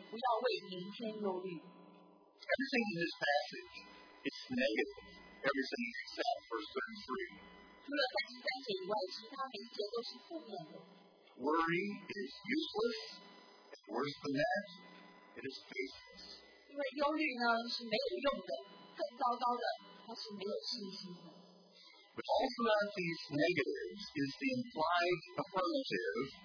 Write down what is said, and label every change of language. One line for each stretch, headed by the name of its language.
English: everything in this passage is negative. Everything except verse 33. Worry is useless, and worse than that, it is faithless.
Chinese: 因为忧虑呢,是没有用的,更糟糕的,
English: but all throughout these negatives is the implied affirmative.